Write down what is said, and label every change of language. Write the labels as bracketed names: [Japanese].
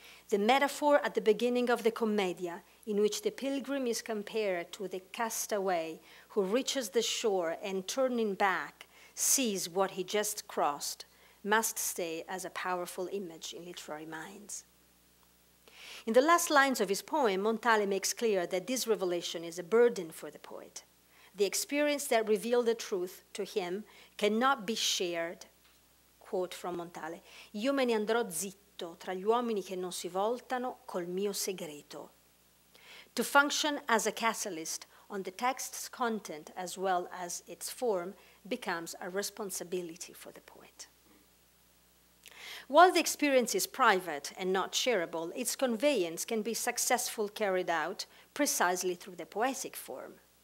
[English] The metaphor at the beginning of the Commedia, in which the pilgrim is compared to the castaway who reaches the shore and, turning back, sees what he just crossed, must stay as a powerful image in literary minds. In the last lines of his poem, Montale makes clear that this revelation is a burden for the poet. The experience that revealed the truth to him cannot be shared. Quote from Montale, [Italian] "Io me ne andrò zitto tra gli uomini che non si voltano col mio segreto." [English] To function as a catalyst on the text's content as well as its form becomes a responsibility for the poet. While the experience is private and not shareable, its conveyance can be successfully carried out precisely through the poetic form.